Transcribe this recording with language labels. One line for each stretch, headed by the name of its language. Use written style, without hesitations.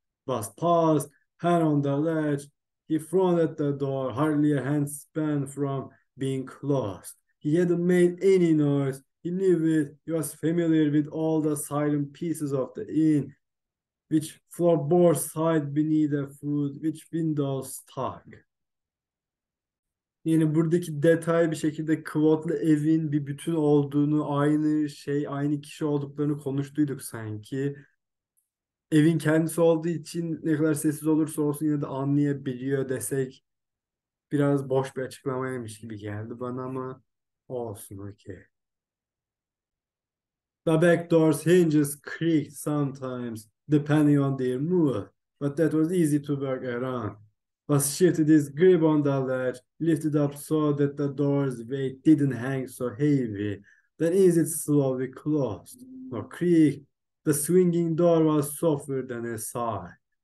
English: Bast paused, hand on the ledge. He frowned at the door, hardly a hand's span from being closed. He hadn't made any noise. He knew it. He was familiar with all the silent pieces of the inn, which floorboards hide beneath the food, which windows tuck.
Turkish: Yani buradaki detay bir şekilde Claude'la evin bir bütün olduğunu, aynı şey, aynı kişi olduklarını konuştuyduk sanki. Evin kendisi olduğu için ne kadar sessiz olursa olsun yine de anlayabiliyor desek biraz boş bir açıklamaymış gibi geldi bana ama olsun okey.
English: The back door's hinges creaked sometimes, depending on their mood. But that was easy to work around. Was shifted his grip on the ledge, lifted up so that the door's weight didn't hang so heavy. Then eased it slowly closed. No creak. The swinging door was softer than a sigh.